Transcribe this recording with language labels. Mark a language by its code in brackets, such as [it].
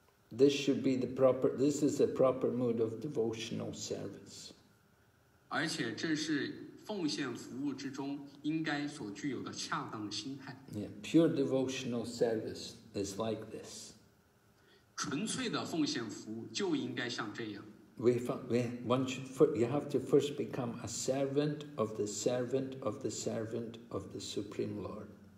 [en] This is a proper mood of devotional service. [zh] 而且这是奉献服务之中应该所具有的恰当心态。 [en] Yeah, pure devotional service is like this. [zh] 纯粹的奉献服务就应该像这样。 [en] You have to first become a servant of the servant of the servant of the Supreme Lord.